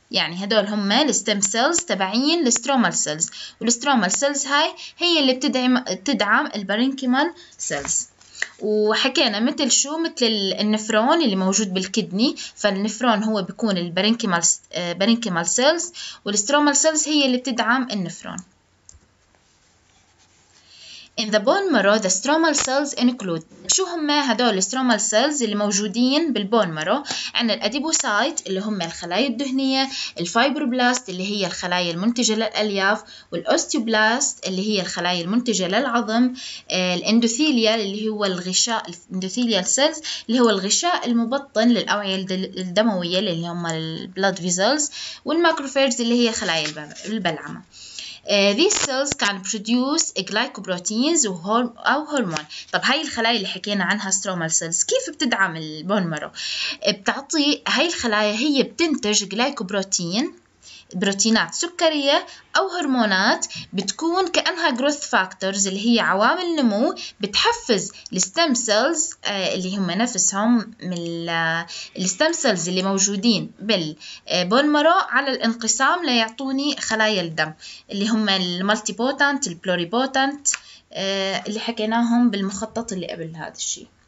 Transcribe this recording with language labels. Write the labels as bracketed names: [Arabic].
[Arabic] يعني هدول هم الستيم سيلز تبعين الستروميل سيلز، والستروميل سيلز هاي هي اللي بتدعم البارينكيمال سيلز. وحكينا مثل شو؟ مثل النفرون اللي موجود بالكدني، فالنفرون هو بيكون البارينكيمال سيلز، والستروميل سيلز هي اللي بتدعم النفرون. [English] In the bone marrow, the stromal cells include [Arabic] شو هم هدول الستروميل سيلز اللي موجودين بالبون مارو؟ عندنا الأديبوسايت اللي هم الخلايا الدهنية، الفايبروبلاست اللي هي الخلايا المنتجة للألياف، والأوستيوبلاست اللي هي الخلايا المنتجة للعظم، الإندوثيليا اللي هو الغشاء، الإندوثيليال سيلز اللي هو الغشاء المبطن للأوعية الدموية اللي هم البلاد فيزلز، والماكروفاجز اللي هي خلايا البلعمة. [English] These cells can produce glycoproteins [Arabic] أو هرمون. طب هاي الخلايا اللي حكينا عنها stromal cells كيف بتدعم البون مارو؟ بتعطي هاي الخلايا، هي بتنتج glycoprotein، بروتينات سكرية أو هرمونات بتكون كأنها growth factors اللي هي عوامل نمو بتحفز الستم سيلز اللي هم نفسهم من الستم سيلز اللي موجودين بالبون مارو على الانقسام ليعطوني خلايا الدم اللي هم المالتي بوتانت البلوري بوتانت اللي حكيناهم بالمخطط اللي قبل هذا الشيء.